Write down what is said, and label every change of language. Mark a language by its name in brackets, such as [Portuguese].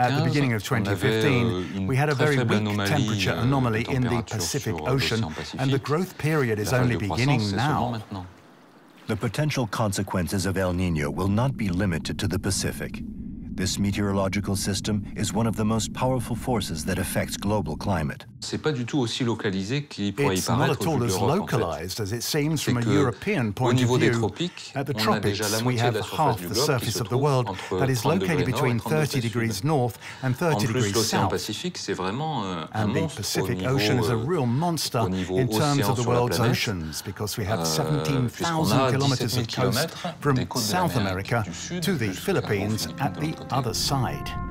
[English] at the beginning of 2015, we had a very weak temperature anomaly in the Pacific Ocean, and the growth period is only beginning now. The potential consequences of El Niño will not be limited to the Pacific. This meteorological system is one of the most powerful forces that affects global climate. [French] C'est pas du tout aussi localisé qu'il pourrait paraître. [English] It's not at all as localized as it seems from a European point of view. At the tropics, we have half the surface of the world that is located between 30 degrés north and 30 degrés south. And the Pacific Ocean is a real monster in terms of the world's oceans because we have 17,000 kilometers of coast from South America to the Philippines at the other side.